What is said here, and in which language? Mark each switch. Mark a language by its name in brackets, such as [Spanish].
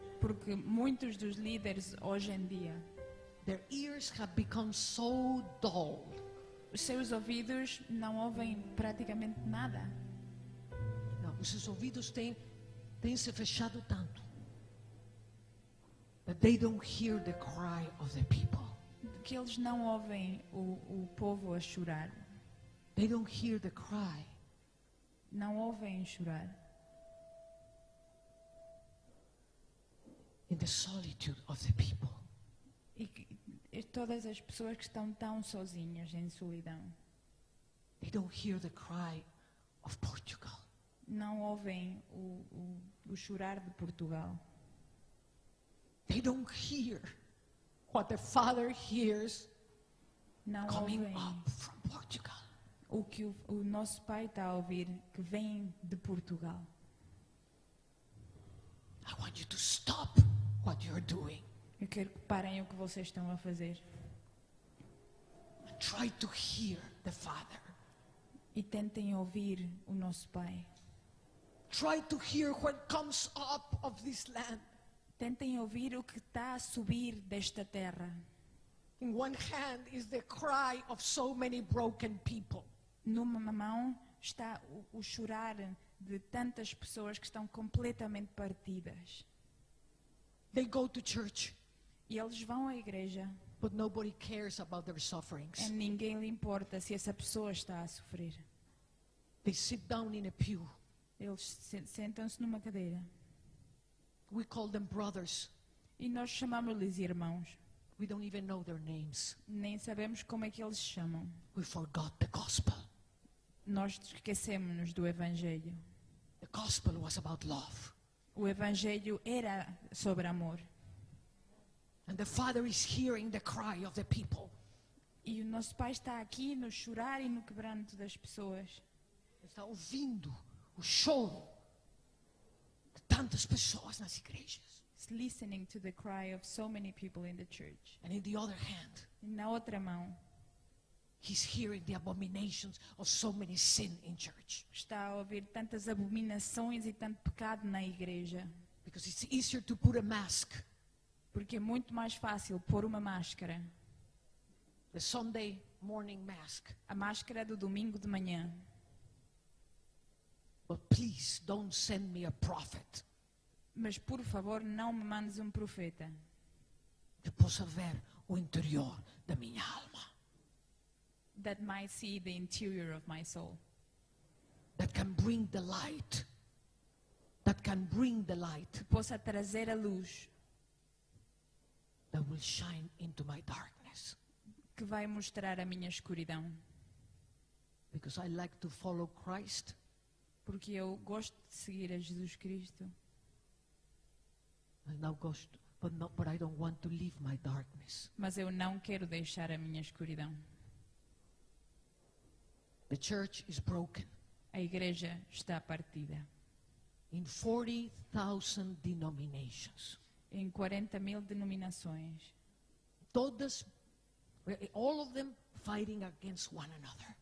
[Portuguese] Porque muitos dos líderes hoje em dia. [English] Their ears have become so dull. [Portuguese] Os seus ouvidos não ouvem praticamente nada. Não, os seus ouvidos têm se fechado tanto. [English] That they don't hear the cry of the people. [Portuguese] Que eles não ouvem o povo a chorar. [English] They don't hear the cry. [Portuguese] Não ouvem chorar. [English] In the solitude of the people. [Portuguese] E todas as pessoas que estão tão sozinhas em solidão. [English] They don't hear the cry of Portugal. [Portuguese] Não ouvem o chorar de Portugal. [English] They don't hear what the Father hears. [Portuguese] Não [English] coming [Portuguese] ouvem [English] up from Portugal. [Portuguese] O que o nosso Pai está a ouvir que vem de Portugal. [English] I want you to stop what you're doing. [Portuguese] Eu quero que parem o que vocês estão a fazer. [English] Try to hear the Father. [Portuguese] E tentem ouvir o nosso Pai. [English] Try to hear what comes up of this land. [Portuguese] Tentem ouvir o que está a subir desta terra. [English] In one hand is the cry of so many broken people. [Portuguese] Numa mão está o chorar de tantas pessoas que estão completamente partidas. [English] They go to church. [Portuguese] E eles vão à igreja. [English] But nobody cares about their sufferings. [Portuguese] E ninguém lhe importa se essa pessoa está a sofrer. [English] They sit down in a pew. [Portuguese] Eles sentam-se numa cadeira. [English] We call them brothers. [Portuguese] E nós chamamos-lhes irmãos. [English] We don't even know their names. [Portuguese] Nem sabemos como é que eles se chamam. [English] We forgot the gospel. [Portuguese] Nós esquecemos-nos do evangelho. [English] The gospel was about love. [Portuguese] O evangelho era sobre amor. [English] And the Father is hearing the cry of the people. [Portuguese] E o nosso Pai está aqui no chorar e no quebranto das pessoas. Está ouvindo o choro de tantas pessoas nas igrejas. [English] He's listening to the cry of so many people in the church. And in the other hand, [Portuguese] na outra mão, [English] he's hearing the abominations of so many sin in church. [Portuguese] Está a ouvir tantas abominações e tanto pecado na igreja. [English] Because it's easier to put a mask. [Portuguese] Porque é muito mais fácil pôr uma máscara. [English] The Sunday morning mask. [Portuguese] A máscara do domingo de manhã. [English] But please don't send me a prophet. [Portuguese] Mas por favor, não me mandes um profeta. Que possa ver o interior da minha alma. [English] That might see the interior of my soul. That can bring the light. That can bring the light. [Portuguese] Que possa trazer a luz. [English] That will shine into my darkness. [Portuguese] Que vai mostrar a minha escuridão. [English] Because I like to follow Christ. [Portuguese] Porque eu gosto de seguir a Jesus Cristo. [English] I now [Portuguese] gosto, [English] but not, but I don't want to leave my darkness. [Portuguese] Mas eu não quero deixar a minha escuridão. [English] The church is broken. [Portuguese] A igreja está partida. [English] In 40,000 denominations. [Portuguese] Em 40 mil denominações. Todas, [English] all of them fighting against one another.